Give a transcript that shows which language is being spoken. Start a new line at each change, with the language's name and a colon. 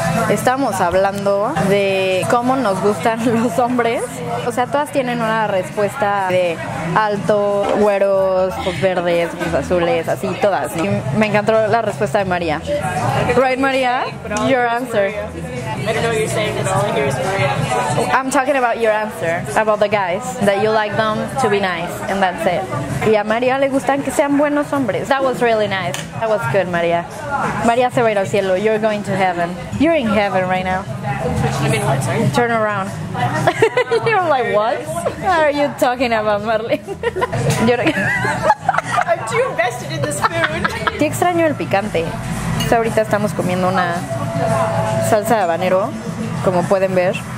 Spanish: Estamos hablando de cómo nos gustan los hombres. O sea, todas tienen una respuesta de alto, güeros, ojos verdes, ojos azules, así todas, ¿no? Y me encantó la respuesta de María.
English: Right, María? Your answer. I'm talking about your answer, about the guys, that you like them to be nice, and that's it.
Spanish: Y a María le gustan que sean buenos hombres.
English: That was really nice. That was good, María.
Spanish: María se va al cielo.
English: You're going to heaven. You're in heaven right now. I mean, what, sorry? Turn around. You're like, what? What are you talking about, Marlene? I'm too invested in this food.
Spanish: Qué extraño el picante. Ahorita estamos comiendo una salsa de habanero, como pueden ver.